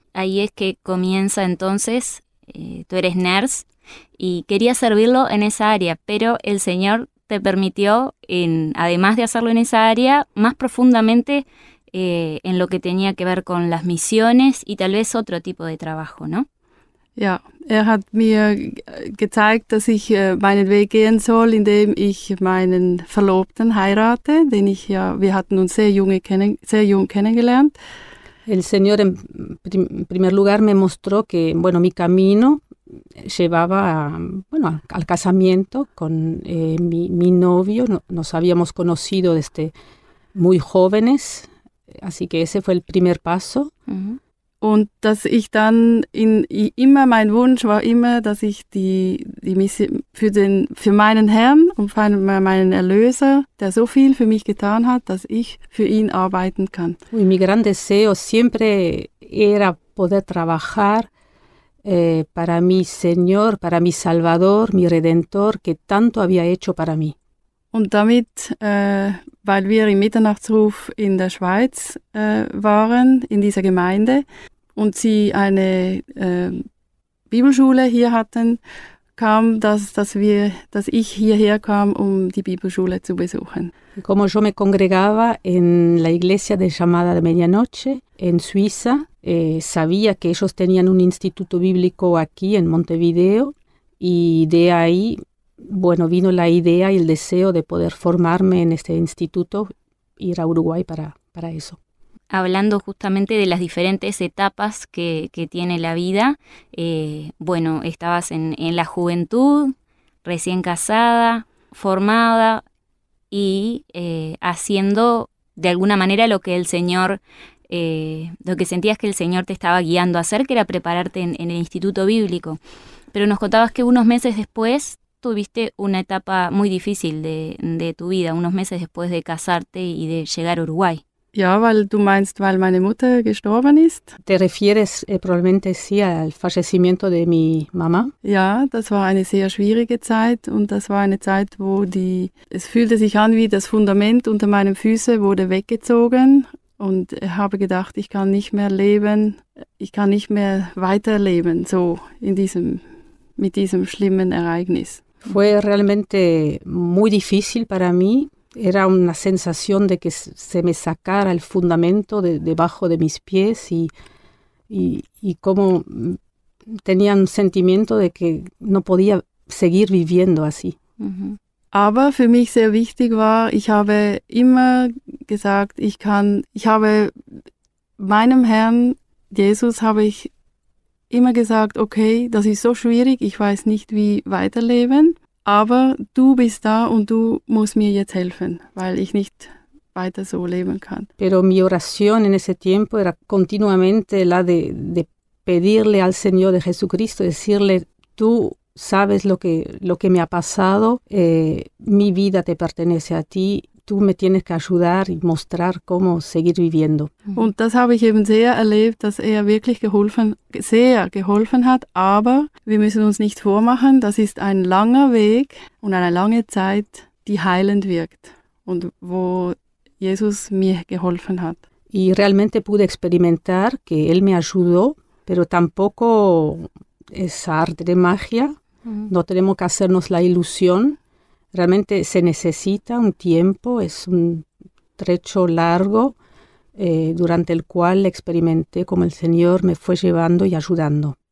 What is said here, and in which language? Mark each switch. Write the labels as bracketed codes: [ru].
[es] Ahí es que comienza entonces. Tú eres nurse y querías servirlo en esa área, pero el Señor te permitió, además de hacerlo en esa área, más profundamente en lo que tenía que ver con las misiones y tal vez otro tipo de trabajo, ¿no? [de] Ja, hat mir gezeigt, dass ich meinen Weg gehen soll, indem ich meinen Verlobten heirate, den ich ja, wir hatten uns sehr jung kennengelernt. [es] El Señor en primer lugar me mostró que, bueno, mi camino llevaba a, bueno, al casamiento con mi novio. Nos habíamos conocido desde muy jóvenes, así que ese fue el primer paso. [de] Und dass ich dann immer mein Wunsch war immer, dass ich die Mission für meinen Herrn und für meinen Erlöser, der so viel für mich getan hat, dass ich für ihn arbeiten kann. [es] Y mi gran deseo siempre era poder trabajar para mi Señor, para mi Salvador, mi Redentor, que tanto había hecho para mí. [de] Und damit, weil wir im Mitternachtsruf in der Schweiz waren, in dieser Gemeinde, und sie eine Bibelschule hier hatten, kam das, dass ich hierher kam, um die Bibelschule zu besuchen. [es] Como yo me congregaba en la iglesia de llamada de medianoche en Suiza, sabía que ellos tenían un instituto bíblico aquí en Montevideo, y de ahí, bueno, vino la idea y el deseo de poder formarme en este instituto, ir a Uruguay para eso. Hablando justamente de las diferentes etapas que tiene la vida, bueno, estabas en la juventud, recién casada, formada y haciendo de alguna manera lo que el Señor, lo que sentías que el Señor te estaba guiando a hacer, que era prepararte en el Instituto Bíblico. Pero nos contabas que unos meses después tuviste una etapa muy difícil de tu vida, unos meses después de casarte y de llegar a Uruguay. [de] Ja, weil du meinst, weil meine Mutter gestorben ist. [es] Te refieres probablemente sí al fallecimiento de mi mamá. [de] Ja, das war eine sehr schwierige Zeit und das war eine Zeit, wo es fühlte sich an wie das Fundament unter meinen Füßen wurde weggezogen und habe gedacht, ich kann nicht mehr leben, ich kann nicht mehr weiterleben so in diesem mit diesem schlimmen Ereignis. [es] Fue realmente muy difícil para mí. Era una sensación de que se me sacara el fundamento debajo de mis pies y como tenía un sentimiento de que no podía seguir viviendo así. [de] Aber für mich sehr wichtig war, ich habe immer gesagt, ich habe meinem Herrn Jesus habe ich immer gesagt, okay, das ist so schwierig, ich weiß nicht wie weiterleben. Aber du bist da und du musst mir jetzt helfen, weil ich nicht weiter so leben kann. [es] Pero mi oración en ese tiempo era continuamente la de pedirle al Señor de Jesucristo, decirle, tú sabes lo que me ha pasado, mi vida te pertenece a ti, tú me tienes que ayudar y mostrar cómo seguir viviendo. [de] Und das habe ich eben sehr erlebt, dass er wirklich geholfen, sehr geholfen hat, aber wir müssen uns nicht vormachen, das ist ein langer Weg und eine lange Zeit, die heilend wirkt. und wo Jesus mir geholfen hat. [es] Y realmente pude experimentar que él me ayudó, pero tampoco es arte de magia. No tenemos que hacernos la ilusión. Realmente se necesita un tiempo, es un trecho largo durante el cual experimenté cómo el Señor me fue llevando y ayudando.